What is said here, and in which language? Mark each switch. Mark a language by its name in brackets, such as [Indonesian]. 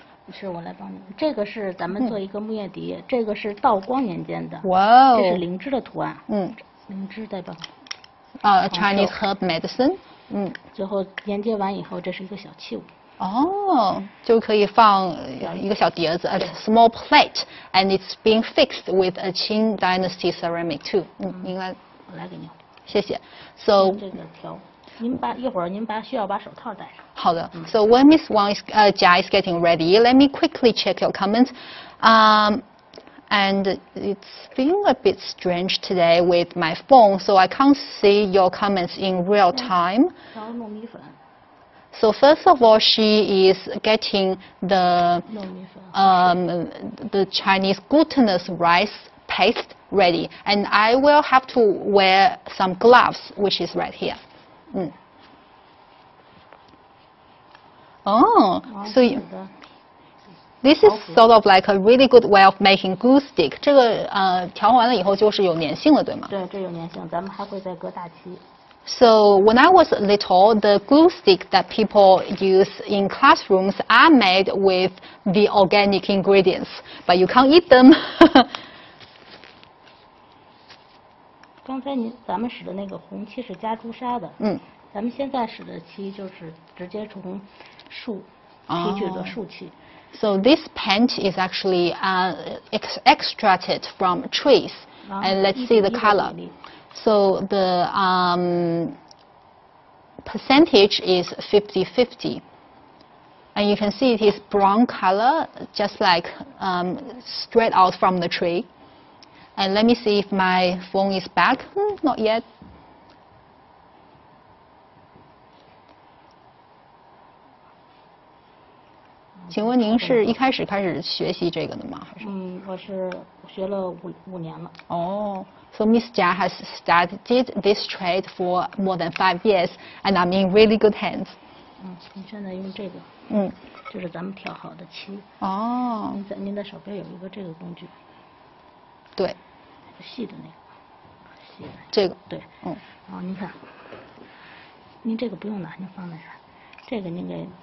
[Chinese] 是我来帮你，这个是咱们做一个木叶笛，这个是道光年间的，哇、这是灵芝的图案，灵芝代表 [English] Chinese herb medicine， [Chinese] 最后连接完以后，这是一个小器物，就可以放一个小碟子 [English] ，a small plate， and it's being fixed with a Qing dynasty ceramic too， [Chinese] 应该，我来给您，谢谢 ，so 这个条。您把一会儿您把需要把手套戴上。好的。 [English] So when Miss Wang is Jia is getting ready, let me quickly check your comments. And it's been a bit strange today with my phone, so I can't see your comments in real time. [Chinese] 调糯米粉。 [English] So first of all, she is getting the [Chinese] 糯米粉。 [English] The Chinese glutinous rice paste ready, and I will have to wear some gloves, which is right here. So This is sort of like a really good way of making glue stick. [Chinese] 这个调完了以后就是有粘性了，对吗？对，这有粘性，咱们还会再搁大漆。 [English] So when I was little, the glue stick that people use in classrooms are made with the organic ingredients, but you can't eat them. [Chinese] 刚才咱们使的那个红漆是加朱砂的。嗯。咱们现在使的漆就是直接从树提取的树漆。 [English] So this paint is actually extracted from trees, and let's see the color. So the percentage is 50-50, and you can see it is brown color, just like straight out from the tree. And let me see if my phone is back. Not yet. [Chinese] 请问您是一开始开始学习这个的吗？我是学了5年了。 [English] 哦、so Miss Jia has studied this trade for more than 5 years, and I'm in really good hands. [Chinese] 您现在用这个，就是咱们调好的漆。哦、您的手边有一个这个工具。对。细的那个。细的。这个。对。您看，您这个不用拿，您放在这儿，这个您给。